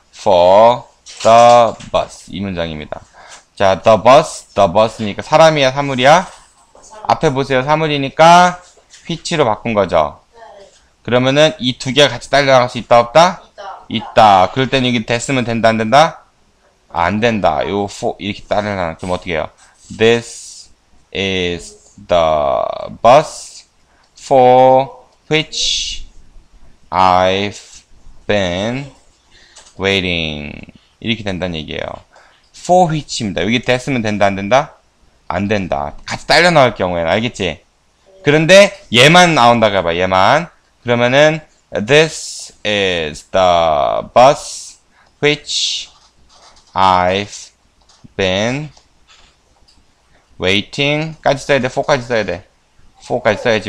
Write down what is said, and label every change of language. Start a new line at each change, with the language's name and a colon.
English: for the bus.
Korean: 이 문장입니다. 자, the bus니까 사람이야, 사물이야? 앞에 보세요. 사물이니까 휘치로 바꾼 거죠. 그러면은 이 두 개가 같이 딸려나갈 수 있다 없다? 있다. 그럴 땐 여기 됐으면 된다 안 된다? 안 된다. 요 for 이렇게 따르나. 그럼 어떻게 해요?
English: This is the bus for which I've been waiting.
Korean: 이렇게 된다는 얘기예요.
English: for which
Korean: 입니다. 여기 됐으면 된다 안 된다? 안 된다. 같이 딸려 나올 경우에는. 알겠지? 그런데 얘만 나온다고 해봐. 얘만. 그러면은
English: this is the bus which I've been waiting
Korean: 까지 써야 돼? for까지 써야 돼? for까지 써야지.